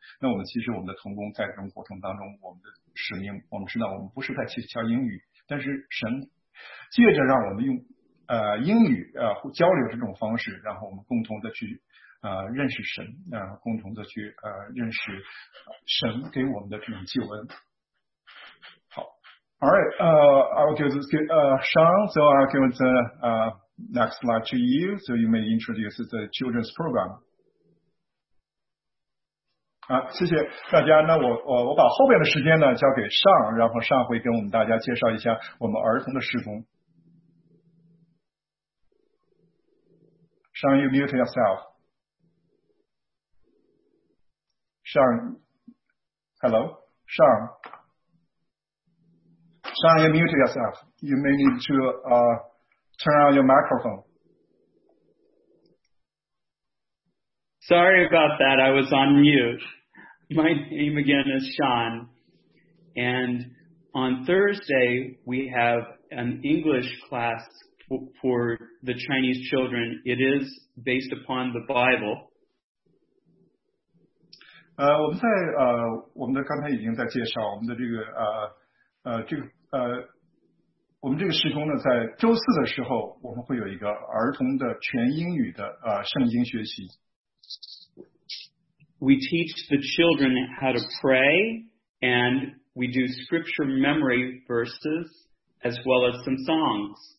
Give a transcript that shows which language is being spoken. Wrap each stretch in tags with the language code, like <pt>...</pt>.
<zh>那我们其实我们的同工在这种过程当中，我们的使命，我们知道我们不是在教英语，但是神借着让我们用英语交流这种方式，然后我们共同的去认识神，共同的去认识神给我们的这种救恩。</zh> <en>Alright, Sean, so I'll give the next slide to you, so you may introduce the children's program.</en> <zh>谢谢大家。那我把后面的时间呢交给Sean，然后Sean会跟我们大家介绍一下我们儿童的事工。</zh> <en>Sean, you mute yourself. Sean, hello, Sean. Sean, you mute yourself. You may need to turn on your microphone. Sorry about that. I was on mute. My name again is Sean. And on Thursday, we have an English class for the Chinese children. It is based upon the Bible.</en> <zh>我们在，我们的刚才已经在介绍我们的这个，我们这个时空呢，在周四的时候，我们会有一个儿童的全英语的圣经学习。</zh> <en>We teach the children how to pray, and we do scripture memory verses as well as some songs.</en>